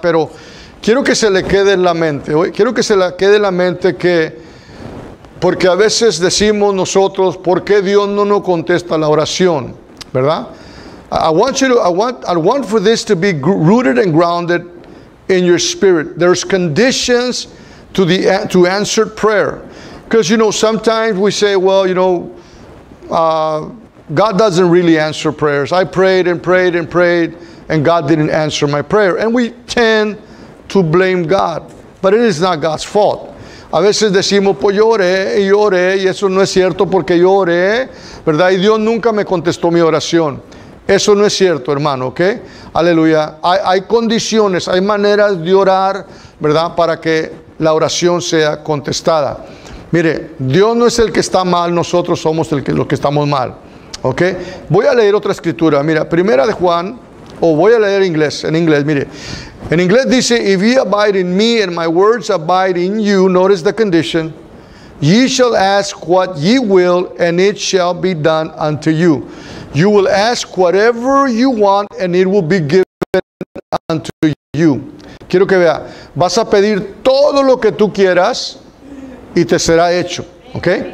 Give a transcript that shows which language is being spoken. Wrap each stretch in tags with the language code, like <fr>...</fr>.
<es>Pero quiero que se le quede en la mente. ¿Oye? Quiero que se le quede en la mente que, porque a veces decimos nosotros, ¿por qué Dios no nos contesta la oración? ¿Verdad?</es> <en>I want for this to be rooted and grounded in your spirit. There's conditions to answered prayer. Because, you know, sometimes we say, well, you know, God doesn't really answer prayers. I prayed and prayed and prayed, and God didn't answer my prayer. And we tend to blame God. But it is not God's fault.</en> <es>A veces decimos, pues yo oré, y eso no es cierto porque yo oré, ¿verdad? Y Dios nunca me contestó mi oración. Eso no es cierto, hermano, ¿ok? Aleluya. Hay condiciones, hay maneras de orar, ¿verdad? Para que la oración sea contestada. Mire, Dios no es el que está mal, nosotros somos los que estamos mal, ¿ok? Voy a leer otra escritura, mira, primera de Juan, voy a leer en inglés, mire. En inglés dice,</es> <en>if ye abide in me and my words abide in you, notice the condition, ye shall ask what ye will and it shall be done unto you. You will ask whatever you want and it will be given unto you.</en> <es>Quiero que vea, vas a pedir todo lo que tú quieras, y te será hecho, ¿ok?</es>